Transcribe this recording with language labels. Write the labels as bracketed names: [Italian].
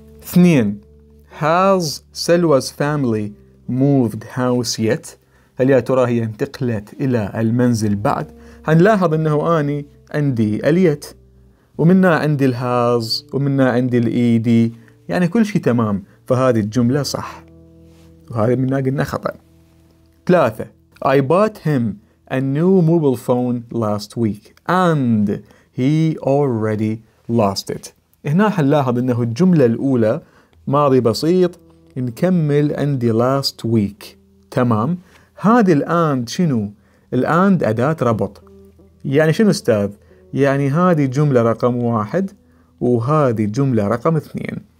[Arabic] 2، [English] has Selwa's family moved house yet؟ [Arabic] هل يا ترى هي انتقلت إلى المنزل بعد؟ هنلاحظ أنه آني عندي اليت، ومنها عندي الهاز، ومنها عندي الإيدي، يعني كل شيء تمام، فهذه الجملة صح، وهذه منها قلنا خطأ. [English] 3، I bought him a new mobile phone last week and he already lost it. [Arabic] هنا حنلاحظ انه الجملة الأولى ماضي بسيط، نكمل عندي last week، تمام. هذه الاند شنو؟ الاند أداة ربط، يعني شنو استاذ؟ يعني هذه جملة رقم 1 وهذه جملة رقم 2.